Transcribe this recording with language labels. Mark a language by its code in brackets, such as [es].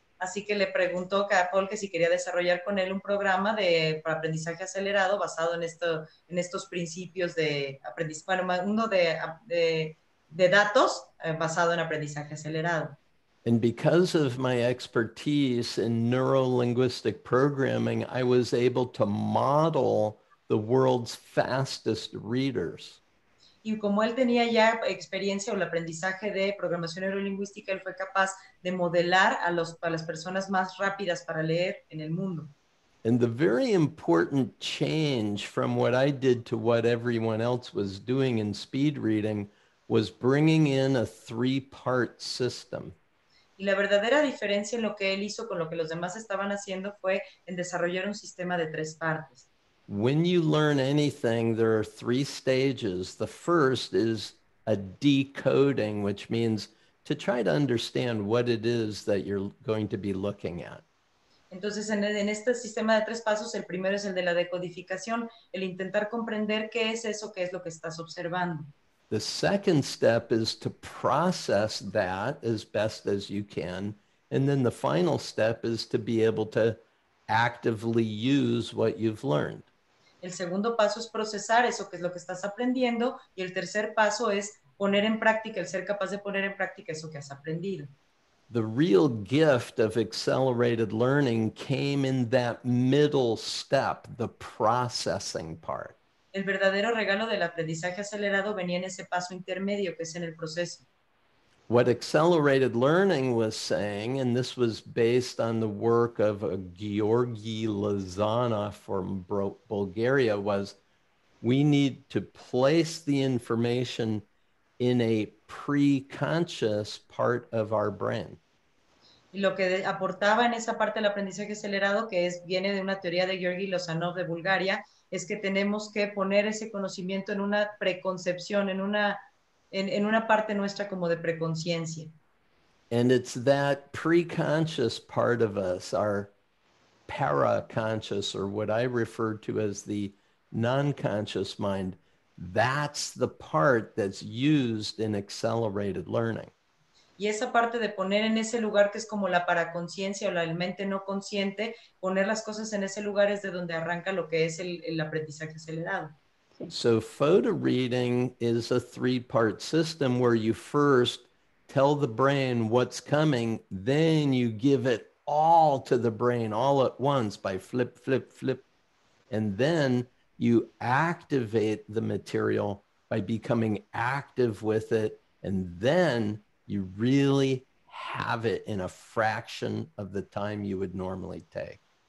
[es] Así que le preguntó a Paul que si quería desarrollar con él un programa de aprendizaje acelerado basado en estos principios de aprendizaje, bueno, uno de datos basado en aprendizaje acelerado. [en] And because of my expertise in neuro-linguistic programming, I was able to model the world's fastest readers. [es] Y como él tenía ya experiencia o el aprendizaje de programación neurolingüística, él fue capaz de modelar a las personas más rápidas para leer en el mundo. [en] And the very important change from what I did to what everyone else was doing in speed reading was bringing in a three-part system. [es] Y la verdadera diferencia en lo que él hizo con lo que los demás estaban haciendo fue en desarrollar un sistema de tres partes. [en] When you learn anything, there are three stages. The first is a decoding, which means to try to understand what it is that you're going to be looking at. [es] Entonces, en este sistema de tres pasos, el primero es el de la decodificación, el intentar comprender qué es eso, qué es lo que estás observando. [en] The second step is to process that as best as you can. And then the final step is to be able to actively use what you've learned. [es] El segundo paso es procesar eso que es lo que estás aprendiendo. Y el tercer paso es poner en práctica, el ser capaz de poner en práctica eso que has aprendido. [en] The real gift of accelerated learning came in that middle step, the processing part. [es] El verdadero regalo del aprendizaje acelerado venía en ese paso intermedio, que es en el proceso. [en] What accelerated learning was saying, and this was based on the work of a Gheorghe Lozano from Bulgaria, was we need to place the information in a pre-conscious part of our brain. [es] Y lo que aportaba en esa parte del aprendizaje acelerado, que es, viene de una teoría de Gheorghe Lozano de Bulgaria, es que tenemos que poner ese conocimiento en una preconcepción, en una parte nuestra como de preconciencia. [en] And it's that preconscious part of us, our paraconscious, or what I refer to as the non-conscious mind, that's the part that's used in accelerated learning. [es] Y esa parte de poner en ese lugar que es como la paraconciencia o la mente no consciente, poner las cosas en ese lugar es de donde arranca lo que es el aprendizaje acelerado. [en] So photo reading is a three-part system where you first tell the brain what's coming, then you give it all to the brain all at once by flip, flip, flip. And then you activate the material by becoming active with it, and then you really have it in a fraction of the time you would normally take.